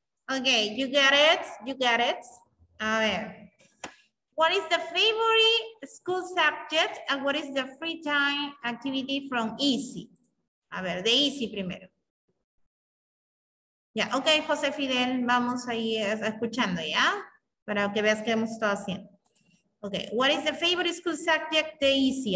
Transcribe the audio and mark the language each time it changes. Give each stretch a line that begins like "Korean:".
English: Okay, you got it? You got it? All right. What is the favorite school subject and what is the free time activity from Easy?
Spanish: A ver, de Easy primero. Ya, yeah, ok, José Fidel, vamos ahí escuchando, ¿ya? Para que veas qué hemos estado haciendo.
English: Ok, what is the favorite school subject de Easy?